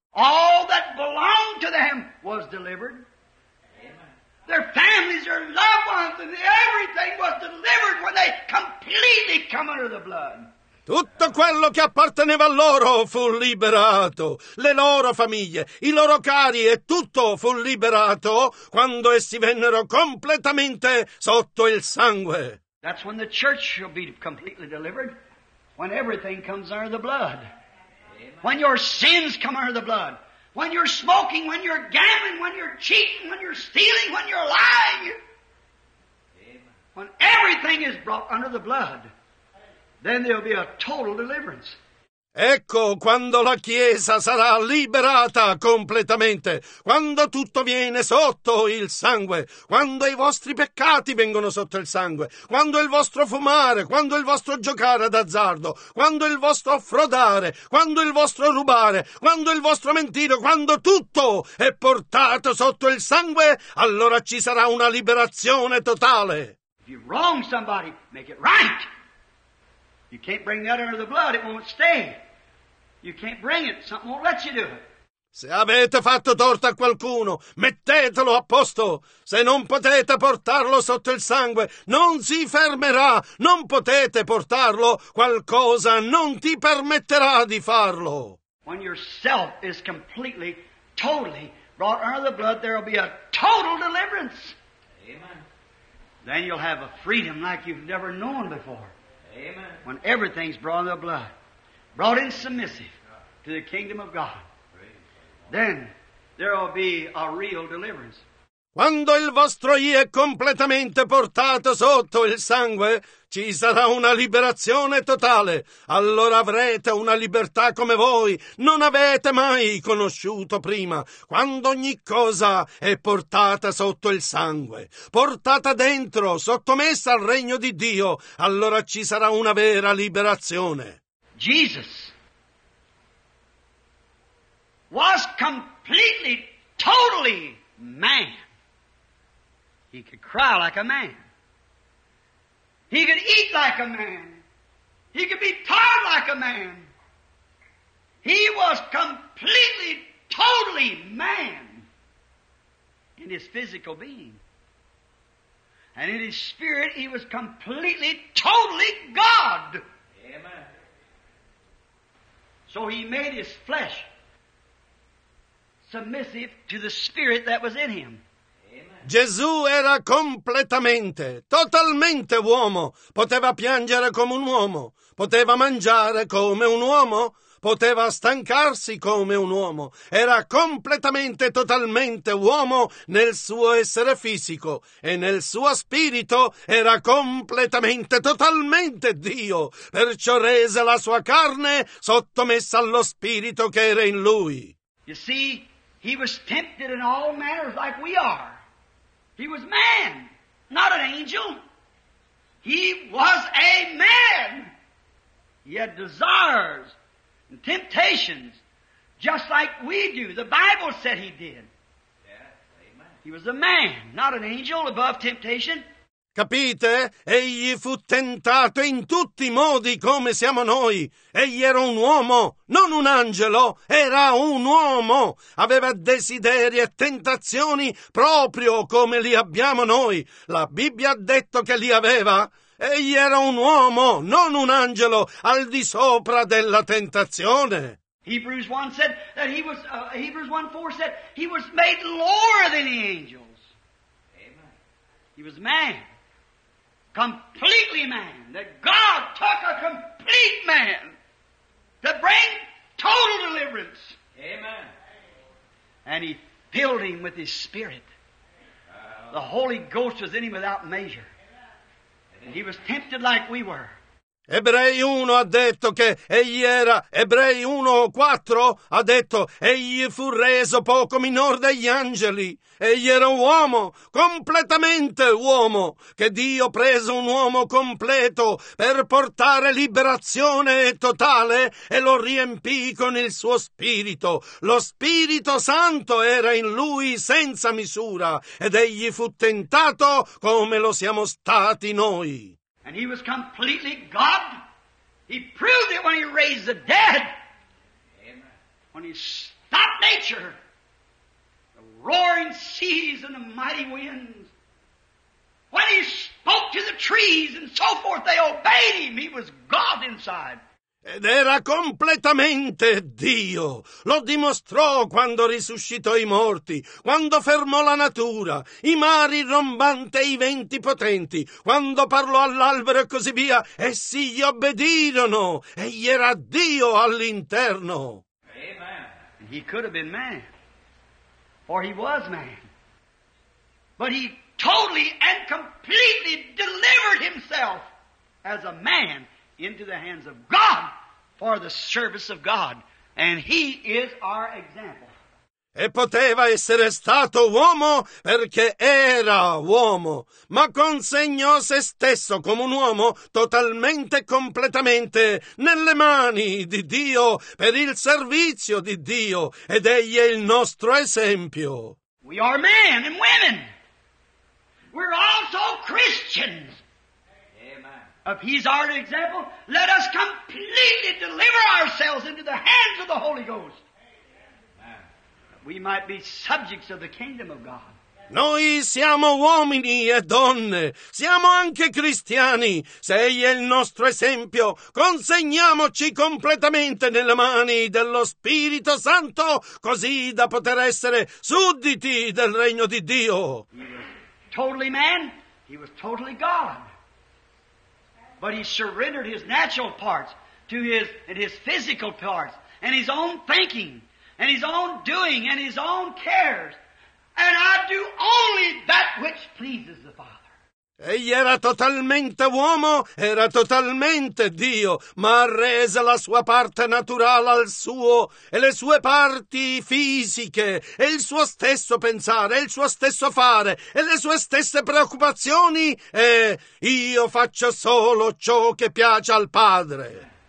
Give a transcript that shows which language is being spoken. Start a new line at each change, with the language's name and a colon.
English: All that belonged to them was delivered. Their families, their loved ones, and everything was delivered when they completely come under the blood.
Italian: Tutto quello che apparteneva a loro fu liberato. Le loro famiglie, i loro cari e tutto fu liberato quando essi vennero completamente sotto il sangue.
English: That's when the church shall be completely delivered, when everything comes under the blood. Amen. When your sins come under the blood. When you're smoking, when you're gambling, when you're cheating, when you're stealing, when you're lying. Amen. When everything is brought under the blood, then there'll be a total deliverance.
Italian: Ecco quando la Chiesa sarà liberata completamente, quando tutto viene sotto il sangue, quando i vostri peccati vengono sotto il sangue, quando il vostro fumare, quando il vostro giocare d'azzardo, quando il vostro frodare, quando il vostro rubare, quando il vostro mentire, quando tutto è portato sotto il sangue, allora ci sarà una liberazione totale.
English: If you wrong somebody, make it right. You can't bring that under the blood, it won't stay. You can't bring it, something won't let you do it.
Italian: Se avete fatto torto a qualcuno, mettetelo a posto. Se non potete portarlo sotto il sangue, non si fermerà. Non potete portarlo, qualcosa non ti permetterà di farlo.
English: When yourself is completely, totally brought under the blood, there will be a total deliverance. Amen. Then you'll have a freedom like you've never known before. Amen. When everything's brought in the blood, brought in submissive to the kingdom of God, then there will be a real deliverance.
Italian: Quando il vostro io è completamente portato sotto il sangue, ci sarà una liberazione totale. Allora avrete una libertà come voi non avete mai conosciuto prima. Quando ogni cosa è portata sotto il sangue, portata dentro, sottomessa al regno di Dio, allora ci sarà una vera liberazione.
English: Jesus was completely, totally man. He could cry like a man. He could eat like a man. He could be tired like a man. He was completely, totally man in his physical being. And in his spirit, he was completely, totally God. Amen. So he made his flesh submissive to the spirit that was in him.
Italian: Gesù era completamente, totalmente uomo. Poteva piangere come un uomo, poteva mangiare come un uomo, poteva stancarsi come un uomo. Era completamente, totalmente uomo nel suo essere fisico e nel suo spirito era completamente, totalmente Dio. Perciò rese la sua carne sottomessa allo spirito che era in lui.
English: You see, he was tempted in all manners like we are. He was man, not an angel. He was a man. He had desires and temptations just like we do. The Bible said he did. Yeah, amen. He was a man, not an angel above temptation.
Italian: Capite? Egli fu tentato in tutti i modi come siamo noi. Egli era un uomo, non un angelo, era un uomo. Aveva desideri e tentazioni proprio come li abbiamo noi. La Bibbia ha detto che li aveva. Egli era un uomo, non un angelo, al di sopra della tentazione.
English: Hebrews 1 said that he was, Hebrews 1:4 said he was made lower than the angels. Amen. He was man. Completely man. That God took a complete man to bring total deliverance. Amen. And he filled him with his spirit. The Holy Ghost was in him without measure. And he was tempted like we were.
Italian: Ebrei 1 ha detto che egli era, Ebrei 1:4 ha detto, egli fu reso poco minor degli angeli. Egli era un uomo, completamente uomo, che Dio prese un uomo completo per portare liberazione totale e lo riempì con il suo spirito. Lo Spirito Santo era in lui senza misura ed egli fu tentato come lo siamo stati noi.
English: And he was completely God. He proved it when he raised the dead. Amen. When he stopped nature, the roaring seas and the mighty winds. When he spoke to the trees and so forth, they obeyed him. He was God inside.
Italian: Ed era completamente Dio. Lo dimostrò quando risuscitò i morti, quando fermò la natura, i mari rombanti e i venti potenti, quando parlò all'albero e così via, essi gli obbedirono. Egli era Dio all'interno.
English: Amen. He could have been man, for he was man. But he totally and completely delivered himself as a man into the hands of God for the service of God, and he is our example.
Italian: E poteva essere stato uomo perché era uomo, ma consegnò se stesso come un uomo totalmente e completamente nelle mani di Dio per il servizio di Dio, ed egli è il nostro esempio.
English: We are men and women. We're also Christians. If he's our example, let us completely deliver ourselves into the hands of the Holy Ghost. Amen. We might be subjects of the kingdom of God.
Italian: Noi siamo uomini e donne, siamo anche cristiani. Se egli è il nostro esempio, consegniamoci completamente nelle mani dello Spirito Santo, così da poter essere sudditi del regno di Dio.
English: He was totally man, he was totally God. But he surrendered his natural parts to his and his physical parts and his own thinking and his own doing and his own cares. And I do only that which pleases the Father.
Italian: Egli era totalmente uomo, era totalmente Dio, ma rese la sua parte naturale al suo e le sue parti fisiche e il suo stesso pensare, il suo stesso fare e le sue stesse preoccupazioni e io faccio solo ciò che piace al Padre.